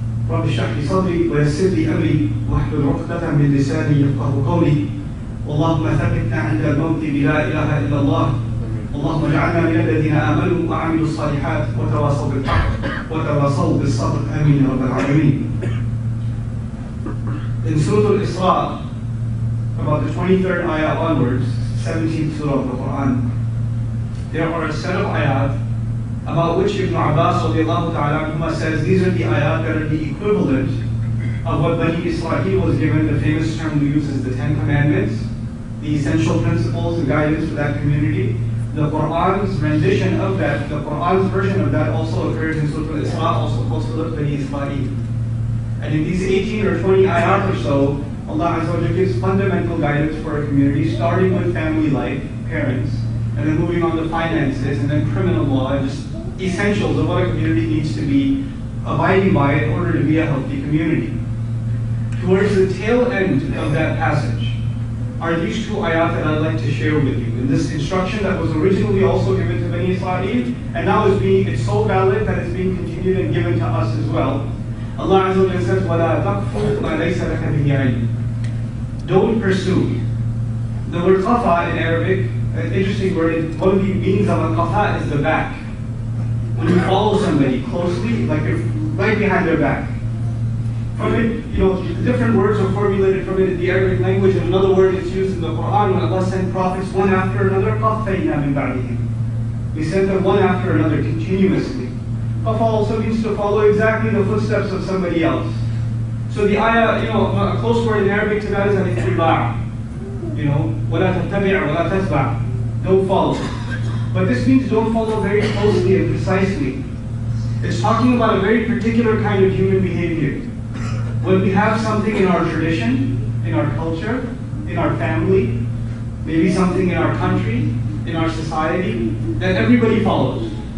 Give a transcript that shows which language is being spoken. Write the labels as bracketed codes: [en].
[ar] رب اشرح لي صدري ويسر لي أمري واحلل عقدة من لساني يفقه قولي. اللهم ثبتنا عند الموت بلا إله إلا الله. اللهم اجعلنا من الذين آمنوا وعملوا الصالحات وتواصوا بالحق وتواصوا بالصبر. أمين رب العالمين. [en] In Surah Al-Isra, about the 23rd ayah onwards, 17th Surah of the Quran, there are a set of ayat about which Ibn Abbas radiallahu ta'ala anhuma says these are the ayat that are the equivalent of what Bani Israel was given, the famous term we use is the Ten Commandments, the essential principles and guidance for that community. The Quran's rendition of that, the Quran's version of that also appears in Surah Al-Isra, also close to Bani Israel. And in these 18 or 20 ayat or so, Allah Azza wa Jalla gives fundamental guidance for a community, starting with family life, parents, and then moving on to finances, and then criminal law, and just essentials of what a community needs to be abiding by in order to be a healthy community. Towards the tail end of that passage are these two ayat that I'd like to share with you, in this instruction that was originally also given to Bani Israel, and now is being, it's so valid that it's being continued and given to us as well. Allah Azza wa Jalla says, [ar] وَلَا تَقْفُوا مَا لَيْسَ لَكَ بِهِ عَلِمٌ. [en] Don't pursue. The word qafa in Arabic, an interesting word, one of the meanings of a qafa is the back. When you follow somebody closely, like you're right behind their back. From it, you know, different words are formulated from it in the Arabic language, and another word is used in the Quran when Allah sent prophets one after another, [ar] qafayna min ba'dihim. [en] He sent them one after another continuously. Qafa also means to follow exactly in the footsteps of somebody else. So the ayah, you know, a close word in Arabic to that is al-ittiba'. You know, [ar] وَلَا تَتَّبِعْ وَلَا تَتْبَعْ. [en] Don't follow. But this means don't follow very closely and precisely. It's talking about a very particular kind of human behavior. When we have something in our tradition, in our culture, in our family, maybe something in our country, in our society, that everybody follows.